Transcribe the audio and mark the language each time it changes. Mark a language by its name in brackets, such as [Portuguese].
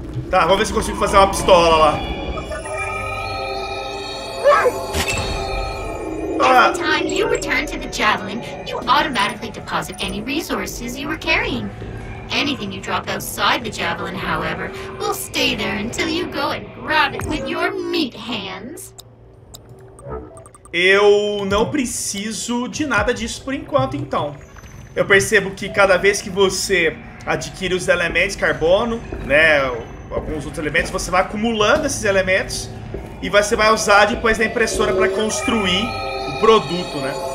[Portuguese] Tá, vamos ver se consigo fazer uma pistola lá. [English] Time you return to the javelin, you automatically deposit any resources you were carrying. Anything you drop outside the javelin, however, will stay there until you go and grab it with your meat hands. [Portuguese] Eu não preciso de nada disso por enquanto, então. Eu percebo que cada vez que você adquire os elementos carbono, né, alguns outros elementos, você vai acumulando esses elementos e você vai usar depois na impressora para construir o produto, né?